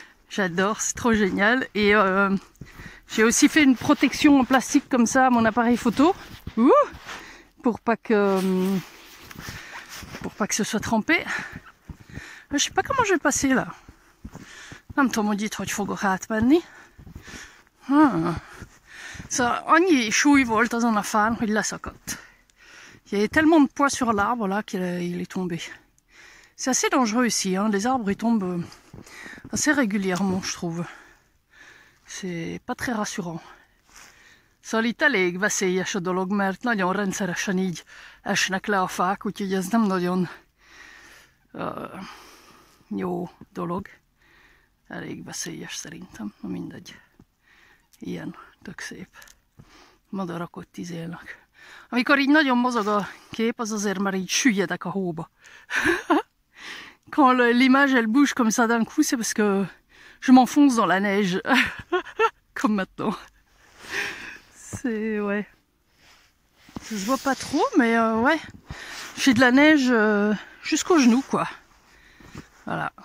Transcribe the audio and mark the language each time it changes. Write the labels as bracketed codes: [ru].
[fr] J'adore, c'est trop génial. Et j'ai aussi fait une protection en plastique comme ça à mon appareil photo. Ouh, pour pas que ce soit trempé. Je sais pas comment je vais passer là. [hu] Nem tudom, hogy itt hogy fogok átmenni. Szóval annyi súly volt azon a fán, hogy leszakadt. [fr] Il y avait tellement de poids sur l'arbre là qu'il est tombé. C'est assez dangereux ici, hein. Les arbres ils tombent assez régulièrement, je trouve. C'est pas très rassurant. [hu] Szóval itt elég veszélyes a dolog, mert nagyon rendszeresen így esnek le a fák, úgyhogy ez nem nagyon jó dolog. Elég veszélyes szerintem, na mindegy. Ilyen, tök szép. Madarak ott izélnek. Amikor így nagyon mozog a kép, az azért, mert így süllyedek a hóba. [fr] Quand l'image elle bouge comme ça d'un coup, c'est parce que je m'enfonce dans la neige. Comme maintenant. C'est, ouais. Ça se voit pas trop, mais ouais. J'ai de la neige jusqu'aux genoux, quoi. Voilà.